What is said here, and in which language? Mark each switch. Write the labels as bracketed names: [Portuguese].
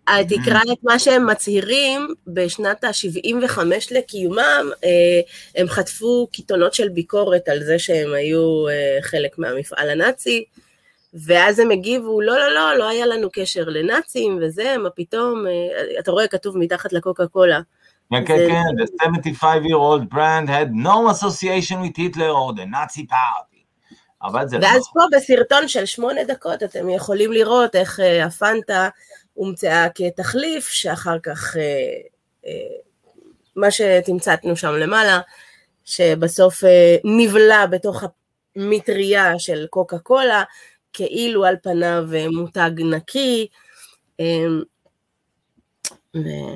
[Hebrew] תקרא את מה שהם מצהירים בשנת ה-75 לקיומם, הם חטפו כיתונות של ביקורת על זה שהם היו חלק מהמפעל הנאצי, ואז הם הגיבו, לא, לא, לא, לא היה לנו קשר לנאצים וזה, מה פתאום, אתה רואה כתוב מתחת לקוקה קולה. כן, כן, כן, [English] the 75-year-old brand had no association with Hitler or the Nazi party. [Hebrew] ואז פה בסרטון של 8 דקות אתם יכולים לראות איך הפנטה הומצאה כתחליף, שאחר כך מה שתמצאנו שם למעלה, שבסוף נבלה בתוך המטריה של קוקה קולה, כאילו על פניו מותג נקי, ו...